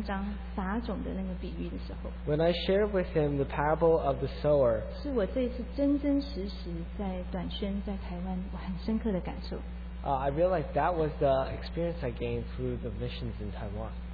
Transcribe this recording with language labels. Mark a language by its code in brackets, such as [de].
[zh] 我那天跟他分享了马太福音十三章撒种的那个比喻的时候, [en] when I shared with him the parable of the sower, [zh] 是我这一次真真实实在短宣在台湾我很深刻的感受。 [en] I realized that was the experience I gained through the missions in Taiwan.